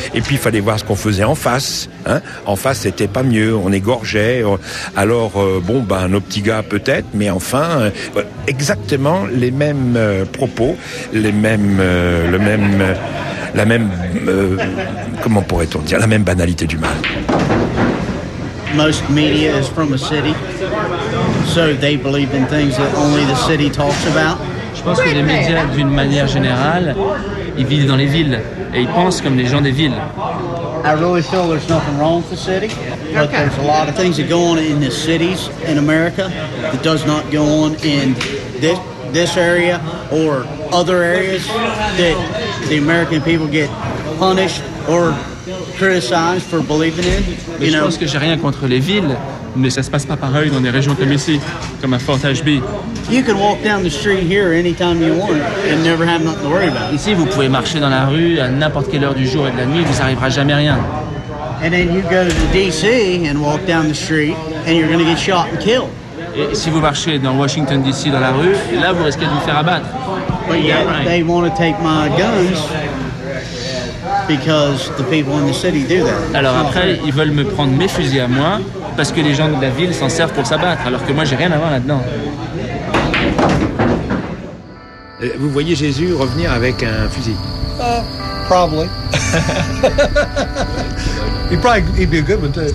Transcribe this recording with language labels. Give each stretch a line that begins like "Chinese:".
French: Et puis il fallait voir ce qu'on faisait en face. Hein. En face, c'était pas mieux. On égorgeait. Nos petits gars peut-être, mais enfin, exactement les mêmes propos, la même banalité du mal.
English: Most media is from a city, so they believe in things that only the city talks about.
French: pense que les médias, d'une manière générale, ils vivent dans les villes et ils pensent comme les gens des villes.
English: I really feel there's nothing wrong with the city, but there's a lot of things that go on in the cities in America that does not go on in this area or other areas that the American people get punished or criticized for believing in.
French: Mais je pense que j'ai rien contre les villes, mais ça se passe pas pareil dans des régions comme ici, comme à Fort Ashby.
English: You can walk down the street here anytime you want and never have nothing to worry about.
French: Ici, vous pouvez marcher dans la rue à n'importe quelle heure du jour et de la nuit, vous n'arrivera jamais rien.
English: And then you go to the DC and walk down the street and you're going to get shot and killed.
French: Et si vous marchez dans Washington DC dans la rue, là vous risquez de vous faire abattre.
English: But yet, they want to take my guns because the people in the city do that.
French: Alors après, ils veulent me prendre mes fusils à moi parce que les gens de la ville s'en servent pour s'abattre, alors que moi j'ai rien à voir là-dedans. Vous voyez Jésus revenir avec un fusil?
English: Probably. He'd be a good one too.